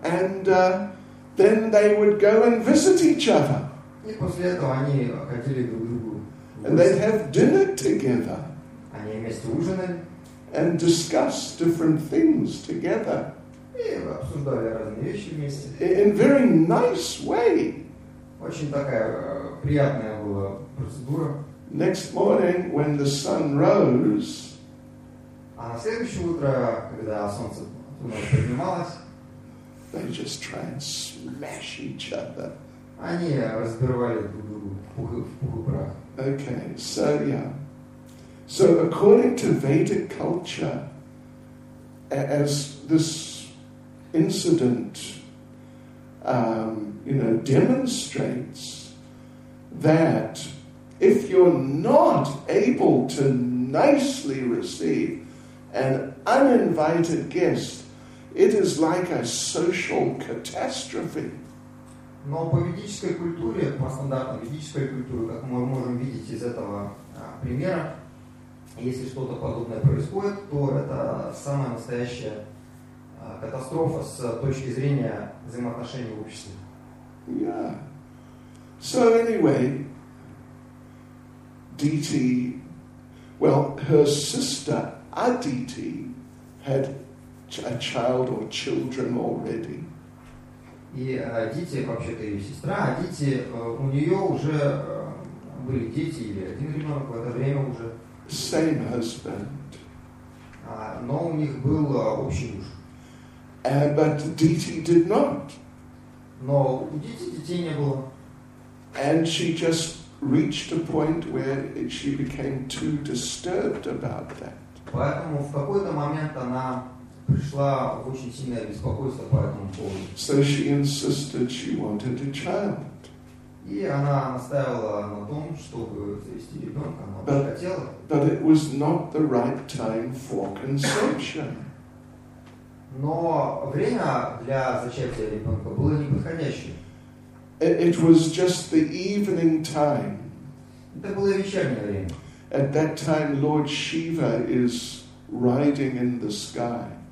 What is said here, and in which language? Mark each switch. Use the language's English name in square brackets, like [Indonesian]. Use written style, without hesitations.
[English] And then they would go and visit each other. [Russian] И после этого они ходили друг к другу. [English] And they'd have dinner together. [Russian] Они вместе ужинали. [English] And discuss different things together. [Russian] И обсуждали разные вещи вместе. [English] In very nice way. [Russian] Очень такая приятная была процедура. [English] Next morning, when the sun rose, [Russian] а на следующее утро, когда солнце поднималось, [English] they just try and smash each other. [Russian] Они разбивали друг друга в пух и прах. [English] Okay, so yeah. So according to Vedic culture, as this incident, you know, demonstrates that if you're not able to nicely receive an uninvited guest, it is like a social catastrophe. [Russian] Но по ведической культуре, по стандартам ведической культуры, как мы можем видеть из этого примера, если что-то подобное происходит, то это самая настоящая катастрофа с точки зрения взаимоотношений в обществе. [English] Yeah. So anyway, Aditi, well, her sister Aditi had a child or children already. [Russian] И Aditi, вообще-то ее сестра Aditi, у нее уже были дети или один ребенок в это время уже. [English] Same husband. [Russian] Но у них был общий муж. [English] But Aditi did not. [Russian] Но у Aditi детей не было. [English] And she just reached a point where she became too disturbed about that. [Russian] Поэтому в какой-то момент она пришла в очень сильное беспокойство по этому поводу. [English] So she insisted she wanted a child. [Russian] И она настаивала на том, чтобы завести ребенка, но она хотела. [English] But it was not the right time for conception. [Russian] Но время для зачатия ребенка было неподходящее. [English] It was just the evening time. [Russian] Это было вечернее время. [English] At that time, Lord Shiva is riding in the sky.